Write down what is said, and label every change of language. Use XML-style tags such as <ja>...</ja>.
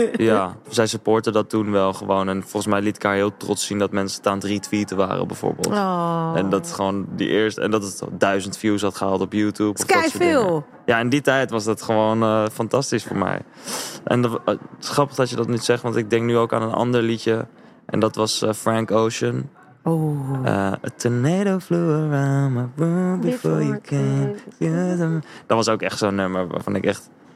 <nl>Ja, zij supportte dat toen wel gewoon. En volgens mij liet ik haar heel trots zien dat mensen het aan het retweeten waren, bijvoorbeeld. Oh. En dat gewoon die eerste. En dat het 1000 views had gehaald op YouTube. Sky veel. Ja, in die tijd was dat gewoon fantastisch voor mij. En het is grappig dat je dat niet zegt, want ik denk nu ook aan een ander liedje. En dat was Frank Ocean. Oh.</nl> <en>A tornado flew around my room before you came.</en> <nl>Dat was ook echt zo'n nummer waarvan ik echt.</nl>